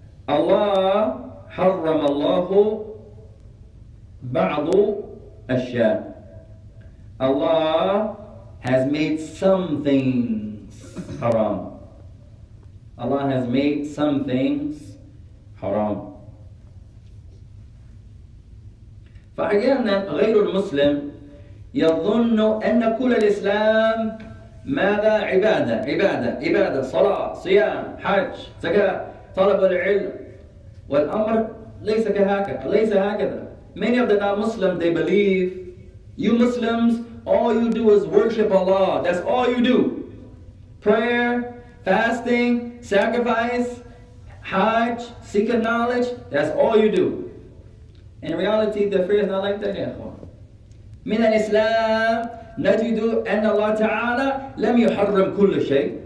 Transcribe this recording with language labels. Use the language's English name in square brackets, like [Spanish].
[Arabic] الله حرم الله بعض الأشياء. [English] Allah has made some things haram. Allah has made some things haram. [Arabic] فأحيانا غير المسلم يظن أن كل الإسلام ماذا عبادة عبادة عبادة صلاة صيام حج زكاة طلب العلم والأمر ليس هكذا. [English] Many of the non-Muslims they believe you Muslims all you do is worship Allah. That's all you do. Prayer, fasting, sacrifice, Hajj, seeking knowledge. That's all you do. In reality, the prayer is not like that. [Arabic] من الإسلام نجد أن الله تعالى لم يحرم كل شيء.